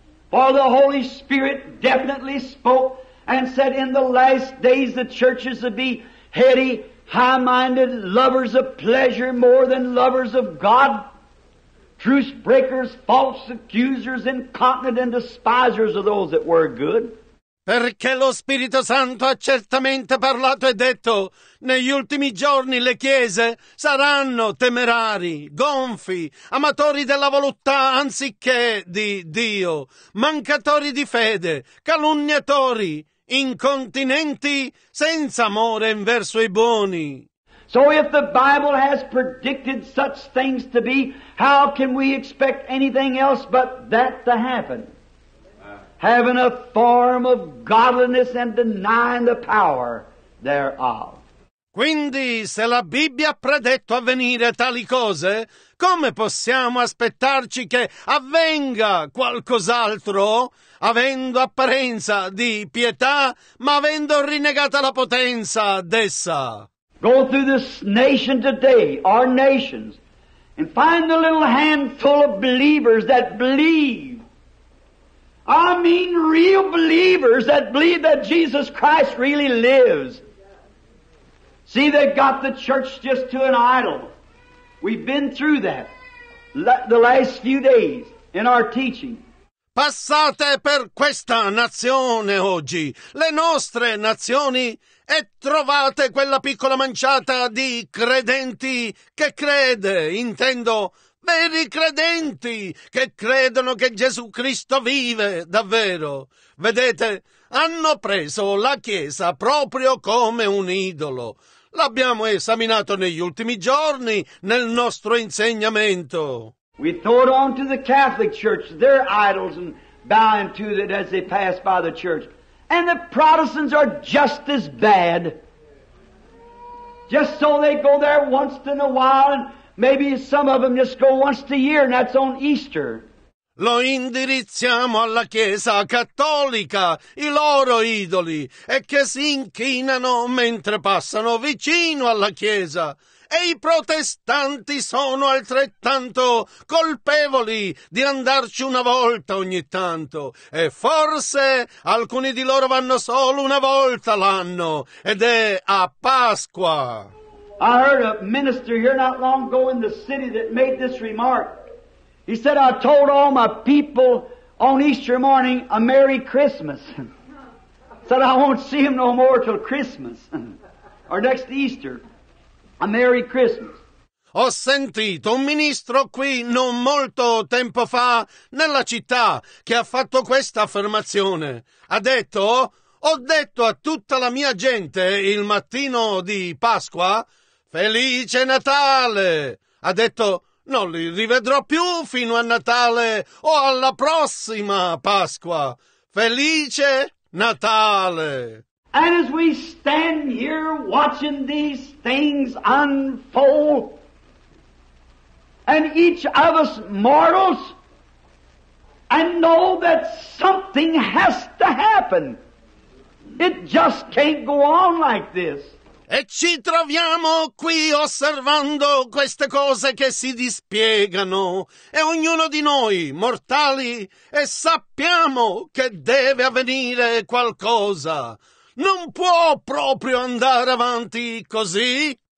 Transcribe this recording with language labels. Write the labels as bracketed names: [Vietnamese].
[English] For the Holy Spirit definitely spoke and said in the last days the churches would be heady, high-minded, lovers of pleasure more than lovers of God, truce-breakers, false accusers, incontinent, and despisers of those that were good. [Italian] Perché lo Spirito Santo ha certamente parlato e detto, negli ultimi giorni le chiese saranno temerari, gonfi, amatori della volontà anziché di Dio, mancatori di fede, calunniatori, incontinenti, senza amore verso i buoni. [English] So if the Bible has predicted such things to be, how can we expect anything else but that to happen? Having a form of godliness and denying the power thereof. [Italian] Quindi, se la Bibbia ha predetto avvenire tali cose, come possiamo aspettarci che avvenga qualcos'altro, avendo apparenza di pietà, ma avendo rinnegata la potenza d'essa? [English] Go through this nation today, our nations, and find the little handful of believers that believe. I mean real believers that believe that Jesus Christ really lives. See, they've got the church just to an idol. We've been through that the last few days in our teaching. [Italian] Passate per questa nazione oggi, le nostre nazioni, e trovate quella piccola manciata di credenti che crede, intendo, veri credenti che credono che Gesù Cristo vive davvero. Vedete, hanno preso la Chiesa proprio come un idolo. L'abbiamo esaminato negli ultimi giorni nel nostro insegnamento. [English] We throw it on to the Catholic Church, their idols, and bowing to it as they pass by the church. And the Protestants are just as bad. Just so they go there once in a while and maybe some of them just go once a year, and that's on Easter. [Italian] lo indirizziamo alla Chiesa Cattolica, i loro idoli, e che si inchinano mentre passano vicino alla Chiesa. E i protestanti sono altrettanto colpevoli di andarci una volta ogni tanto. E forse alcuni di loro vanno solo una volta l'anno, ed è a Pasqua. [English] I heard a minister here not long ago in the city that made this remark. He said, I told all my people on Easter morning a Merry Christmas. Said, I won't see him no more till Christmas, or next Easter. A Merry Christmas. [Italian] Ho sentito un ministro qui non molto tempo fa nella città che ha fatto questa affermazione. Ha detto, ho detto a tutta la mia gente il mattino di Pasqua, Felice Natale! Ha detto, non li rivedrò più fino a Natale o alla prossima Pasqua. Felice Natale! [English] And as we stand here watching these things unfold, and each of us mortals, and know that something has to happen. It just can't go on like this. [Italian] E ci troviamo qui osservando queste cose che si dispiegano, e ognuno di noi, mortali, e sappiamo che deve avvenire qualcosa. Non può proprio andare avanti così.